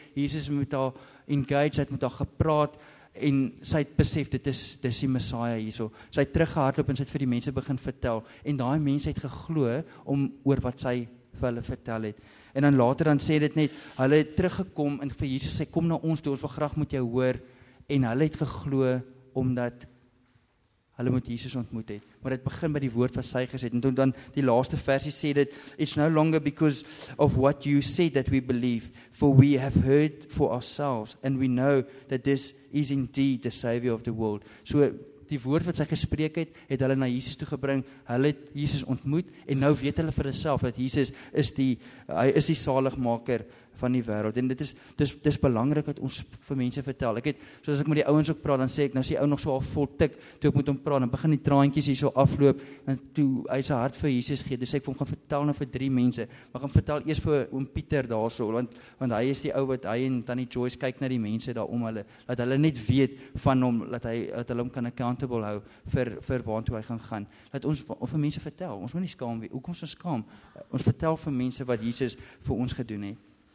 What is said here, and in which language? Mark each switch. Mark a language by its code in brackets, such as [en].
[af] Jesus het met haar engaged, het met haar gepraat en sy het besef dit is die Messiah hierso. Sy het teruggehardloop en sy het vir die mense begin vertel en daai mense het geglo om oor wat sy vir hulle vertel het. En dan later dan sê dit net, hulle het teruggekom en vir Jesus sê, kom na ons toe, ons wil graag met jou hoor. En hulle het geglo omdat hulle met Jesus ontmoet het. Maar dit begin by die woord wat sy gesê het. En toen dan die laaste versie sê dit, [en] it's no longer because of what you said that we believe. For we have heard for ourselves and we know that this is indeed the Savior of the world. [af] So die woord wat sy gespreek het, het hulle na Jesus toe gebring, hulle het Jesus ontmoet, en nou weet hulle vir hulself, dat Jesus is hy is die saligmaker van die wêreld, en dit is belangrik dat ons vir mense vertel, soos ek met die ouens ook praat, dan sê ek, nou is die ou nog so half vol tik, toe ek moet hom praat, dan begin die traantjies hier so afloop, en toe hy sy hart vir Jesus gee, toe sê ek vir hom, gaan vertel nou vir 3 mense, maar gaan vertel eers vir oom Pieter daar so, want hy is die ou wat hy en Tannie Joyce kyk na die mense daar om hulle, dat hulle net weet van hom, dat hulle hom kan accountable hou, vir waar toe hy gaan gaan, dat ons vir mense vertel, ons moet nie skaam wees, hoekom ons skaam, ons vertel vir mense wat Jesus vir ons gedoen het.